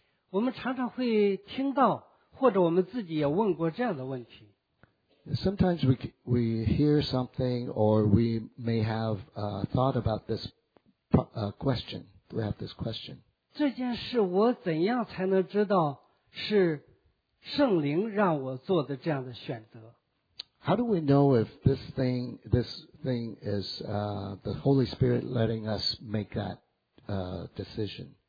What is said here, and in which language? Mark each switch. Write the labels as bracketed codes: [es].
[zh] 我们常常会听到或者我们自己也问过这样的问题。 [en] Sometimes we hear something or we may have thought about this question. We have this question. [zh] 这件事我怎样才能知道是圣灵让我做的这样的选择？ [en] How do we know if this thing is the Holy Spirit letting us make that decision?